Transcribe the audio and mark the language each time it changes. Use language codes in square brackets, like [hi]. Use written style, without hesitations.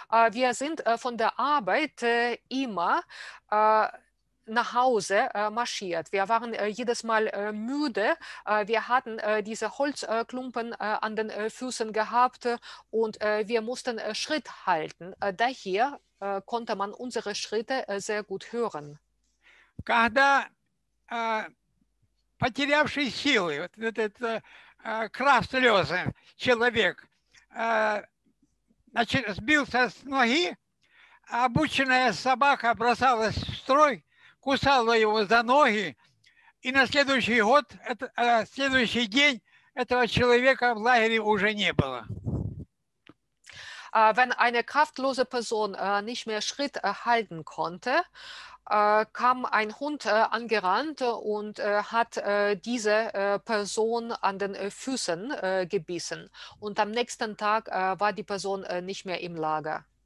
[de] Wir sind von der Arbeit immer nach Hause marschiert. Wir waren jedes Mal müde. Wir hatten diese Holzklumpen an den Füßen gehabt und wir mussten Schritt halten. Daher konnte man unsere Schritte sehr gut hören. [ru] Когда потерявший силы, вот этот [de] Kraft lose [ru] человек сбился с ноги, обученная собака бросалась в строй, кусала его за ноги, и на следующий год, следующий день этого человека в лагере уже не было. [de] Wenn eine kraftlose Person nicht mehr Schritt halten konnte, kam ein Hund angerannt und hat diese Person an den Füßen gebissen. Und am nächsten Tag war die Person nicht mehr im Lager.